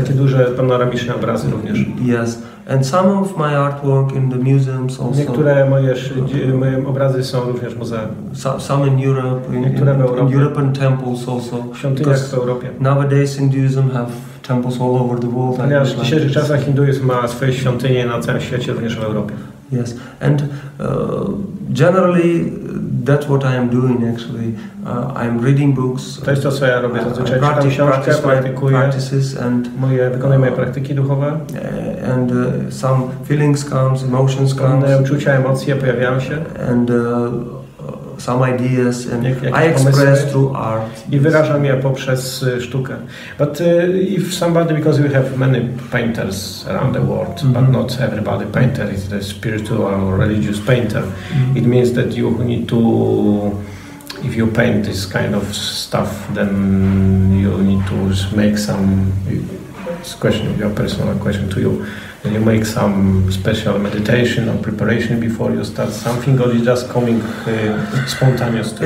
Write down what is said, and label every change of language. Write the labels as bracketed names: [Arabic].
[Polish] Takie duże panoramiczne obrazy również. [English] Yes. And some of my artwork in the museums also. [Polish] Niektóre moje obrazy są również w muzeum. [English] Some in Europe, in European temples also. [Polish] Świątyniach w Europie. [English] Nowadays Hinduism have temples all over the world. [Polish] Ale w dzisiejszych czasach hinduizm ma swoje świątynie na całym świecie, również w Europie. [English] Yes. And generally that's what I am doing actually. I'm reading books. [Polish] To jest to, co ja robię. Zazwyczaj czytam książkę, praktykuję. Wykonuję moje praktyki duchowe. [English] And some feelings comes, emotions comes. [Polish] Uczucia, emocje pojawiają się. [English] And some ideas and I express through art. [Polish] I wyrażam je poprzez sztukę. [English] But if somebody, because we have many painters around the world, but not everybody painter is the spiritual or religious painter. Mm-hmm. It means that you need to, if you paint this kind of stuff, then you need to make some, it's a question, your personal question to you, then you make some special meditation or preparation before you start something, or it's just coming spontaneously?